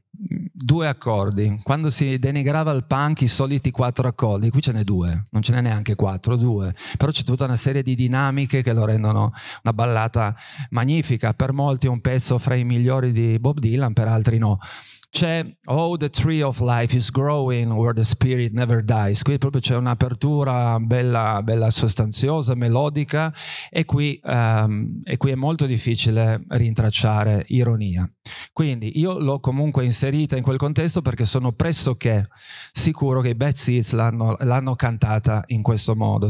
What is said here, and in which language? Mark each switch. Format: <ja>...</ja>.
<it>Due accordi. Quando si denigrava il punk i soliti quattro accordi, qui ce n'è due, non ce n'è neanche quattro, due. Però c'è tutta una serie di dinamiche che lo rendono una ballata magnifica. Per molti è un pezzo fra i migliori di Bob Dylan, per altri no. C'è</it> <en>"Oh, the tree of life is growing where the spirit never dies".</en> <it>Qui proprio c'è un'apertura bella, bella, sostanziosa, melodica, e qui è molto difficile rintracciare ironia. Quindi io l'ho comunque inserita in quel contesto perché sono pressoché sicuro che i Bad Seeds l'hanno cantata in questo modo.</it>